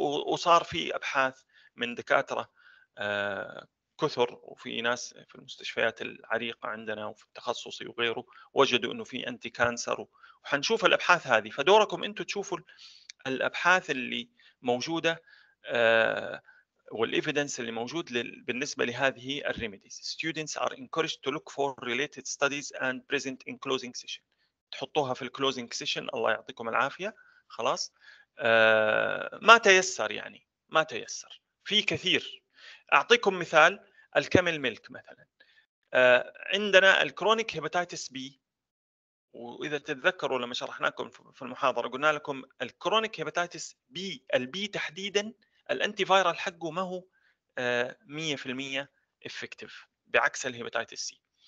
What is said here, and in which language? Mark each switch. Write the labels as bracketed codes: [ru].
[ar] وصار في أبحاث من دكاترة كثر، وفي ناس في المستشفيات العريقة عندنا وفي التخصص وغيره وجدوا أنه في أنتي كانسر، وحنشوف الأبحاث هذه. فدوركم أنتوا تشوفوا الأبحاث اللي موجودة والإفيدنس اللي موجود بالنسبة لهذه الريميديز. [en] Students are encouraged to look for related studies and present in closing session. [ar] تحطوها في الكلوزينج سيشن، الله يعطيكم العافية. خلاص، ما تيسر يعني، ما تيسر في كثير. أعطيكم مثال الكامل ميلك مثلا، عندنا الكرونيك هيباتيتس بي، وإذا تتذكروا لما شرحناكم في المحاضرة قلنا لكم الكرونيك هيباتيتس بي، البي تحديدا الأنتي فيرال حقه ما هو 100% إفكتيف بعكس الهيباتيتس سي.